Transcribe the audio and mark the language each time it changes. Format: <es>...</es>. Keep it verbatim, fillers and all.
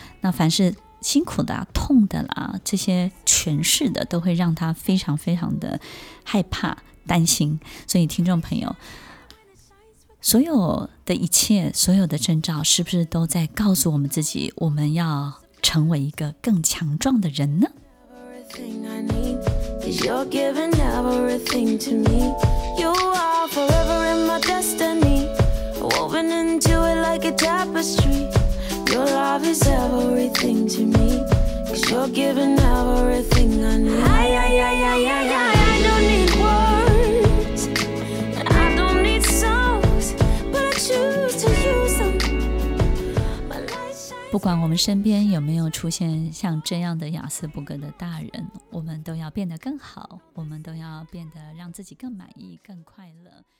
<zh>那凡是辛苦的、啊、痛的啦，这些权势的都会让他非常非常的害怕担心。所以听众朋友，所有的一切，所有的征兆，是不是都在告诉我们自己，我们要成为一个更强壮的人呢？</zh> <en>Everything I need is you're giving everything to me. You are forever in my destiny, woven into it like a tapestry. Your love is everything to me, 'cause you're giving everything I need. Ay, ay, ay, ay, ay, ay. I don't need words, I don't need songs, but I choose to use them.</en> <zh>不管我们身边有没有出现像这样的亚斯伯格的大人，我们都要变得更好，我们都要变得让自己更满意、更快乐。</zh>